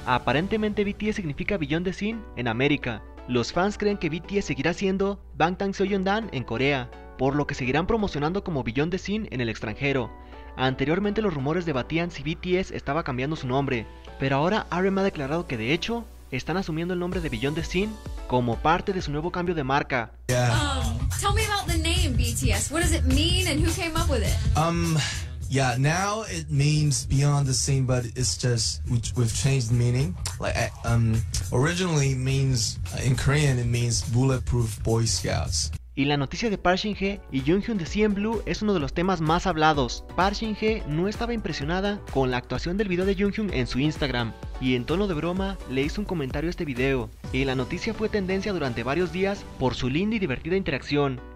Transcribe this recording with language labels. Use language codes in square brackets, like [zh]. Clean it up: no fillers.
[es] Aparentemente BTS significa Beyond the Scene en América. Los fans creen que BTS seguirá siendo Bangtan Soyeondan en Corea, por lo que seguirán promocionando como Beyond the Scene en el extranjero. Anteriormente los rumores debatían si BTS estaba cambiando su nombre, pero ahora RM ha declarado que de hecho están asumiendo el nombre de Beyond the Scene como parte de su nuevo cambio de marca. [en] Yeah. Tell me about the name BTS. What does it mean and who came up with it? Yeah, now it means Beyond the Scene, but it's just we've changed the meaning. Like originally means in Korean it means Bulletproof Boy Scouts. [es] Y la noticia de Park Shin-hye y Jung-hyun de CNBLUE es uno de los temas más hablados. Park Shin-hye no estaba impresionada con la actuación del video de Jung-hyun en su Instagram y en tono de broma le hizo un comentario a este video. Y la noticia fue tendencia durante varios días por su linda y divertida interacción.